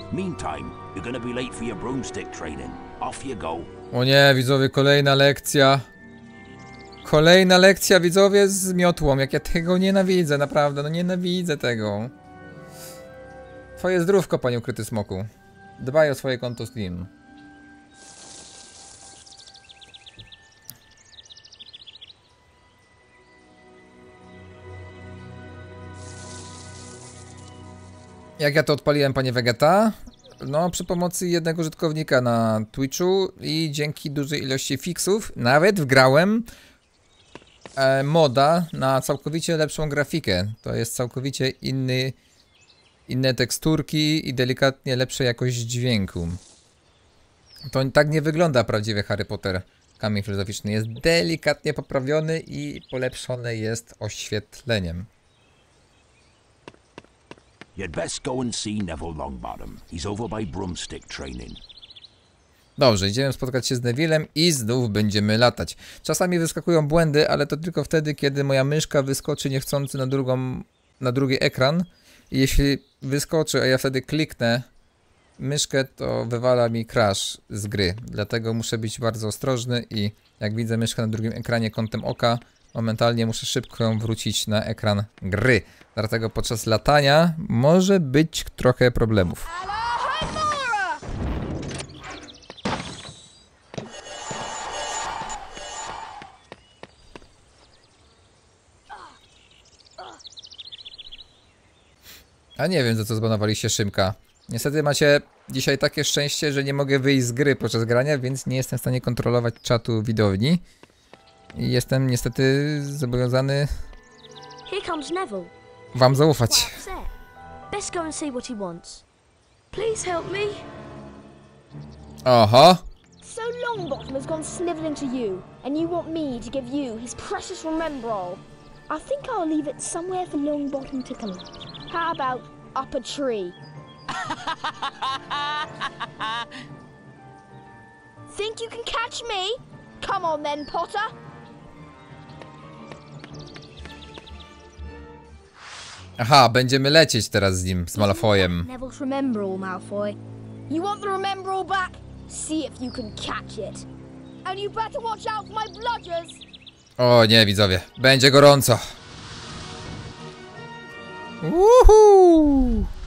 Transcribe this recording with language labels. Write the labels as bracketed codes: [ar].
[en] Meantime, you're gonna be late for your broomstick training. Off you go. [pl] O nie, widzowie, kolejna lekcja. Kolejna lekcja, widzowie, z miotłą. Jak ja tego nienawidzę, naprawdę, no nienawidzę tego. Twoje zdrówko, panie ukryty smoku. Dbaj o swoje konto Steam. Jak ja to odpaliłem, panie Vegeta? No, przy pomocy jednego użytkownika na Twitchu i dzięki dużej ilości fixów nawet wgrałem moda na całkowicie lepszą grafikę. To jest całkowicie inne teksturki i delikatnie lepsza jakość dźwięku. To tak nie wygląda prawdziwy Harry Potter. Kamień filozoficzny jest delikatnie poprawiony i polepszone jest oświetleniem. [en] You'd best go and see Neville Longbottom. He's over by broomstick training. [pl] Dobrze, idziemy spotkać się z Neville'em i znów będziemy latać. Czasami wyskakują błędy, ale to tylko wtedy, kiedy moja myszka wyskoczy niechcący na drugi ekran. I jeśli wyskoczy, a ja wtedy kliknę myszkę, to wywala mi crash z gry. Dlatego muszę być bardzo ostrożny i jak widzę myszkę na drugim ekranie kątem oka, momentalnie muszę szybko ją wrócić na ekran gry. Dlatego podczas latania może być trochę problemów. A nie wiem, za co zbanowaliście Szymka. Niestety macie dzisiaj takie szczęście, że nie mogę wyjść z gry podczas grania, więc nie jestem w stanie kontrolować czatu widowni. I jestem niestety zobowiązany. [en] Here comes Neville. [pl] Wam zaufać. [en] Best go and see what he wants. Please help me. Aha. So Longbottom has gone snivelling to you, and you want me to give you his precious remembrall. I think I'll leave it somewhere for Longbottom to collect. How about up a tree? Think you can catch me? Come on then, Potter. [pl] Aha, będziemy lecieć teraz z nim, z Malfoyem. [en] Neville's remembrall, Malfoy. You want the remembrall back? See if you can catch it. And you better watch out for my bludgers. [pl] O nie, widzowie, będzie gorąco. Uhu!